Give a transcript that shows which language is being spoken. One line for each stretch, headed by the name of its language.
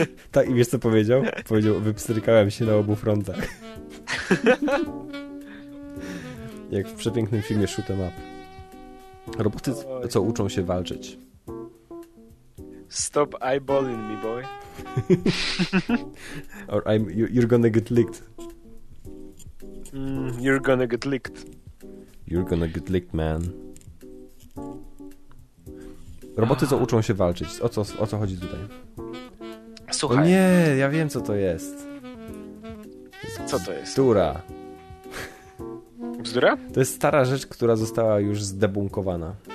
Polish: Tak, i wiesz, co powiedział? Powiedział, wypstrykałem się na obu frontach. Jak w przepięknym filmie Shoot'em Up. Roboty, co uczą się walczyć.
English: Stop eyeballing me, boy. Or you're gonna get licked. You're gonna get licked. You're gonna get licked, man.
Polish: Roboty, co uczą się walczyć. O co chodzi tutaj? Słuchaj. O nie, ja wiem, co to jest. Co to jest? Bzdura. Bzdura? To jest stara rzecz, która została już zdebunkowana.